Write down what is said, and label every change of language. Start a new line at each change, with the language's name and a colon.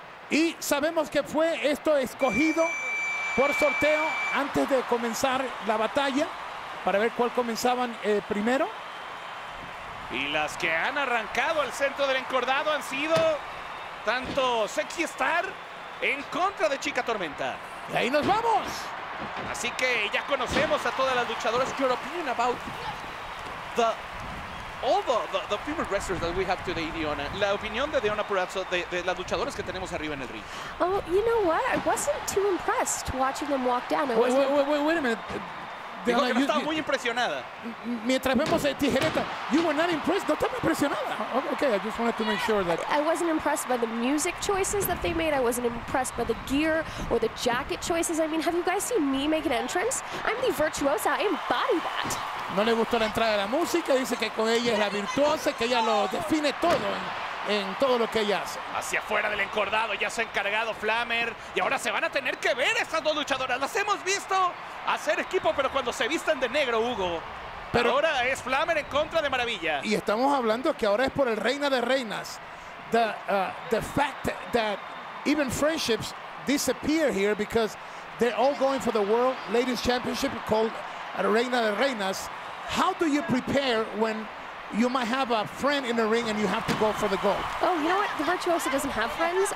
Spanish: Y sabemos que fue esto escogido por sorteo antes de comenzar la batalla, para ver cuál comenzaban primero. Y las que han arrancado al centro del encordado han sido tanto Sexy Star en contra de Chica Tormenta. Y ahí nos vamos. Así que ya conocemos a todas las luchadoras.
English: Your opinion about the all the female wrestlers that we have today, Diona.
Spanish: La opinión de Diona Purrazzo de las luchadoras que tenemos arriba en el ring.
English: Oh, you know what? I wasn't too impressed watching them walk down. Wait a minute.
Spanish: Dijo que no estaba muy impresionada. Mientras vemos el tijereta,
English: you were not impressed.
Spanish: No estaba impresionada.
English: Okay, I just wanted to make sure that. I wasn't impressed by the music choices that they made. I wasn't impressed by the gear or the jacket choices. I mean, have you guys seen me make an entrance? I'm the virtuosa. I embody that.
Spanish: No le gustó la entrada de la música. Dice que con ella es la virtuosa, que ella lo define todo en todo lo que ella hace. Hacia afuera del encordado ya se ha encargado Flamer. Y ahora se van a tener que ver estas dos luchadoras. Las hemos visto hacer equipo, pero cuando se visten de negro, Hugo. Pero ahora es Flamer en contra de Maravilla. Y estamos hablando que ahora es por el Reina de Reinas.
English: The fact that even friendships disappear here because they're all going for the World Ladies Championship called Reina de Reinas. How do you prepare when you might have a friend in the ring and you have to go for the gold? Oh, you know what? The Virtuoso doesn't have friends.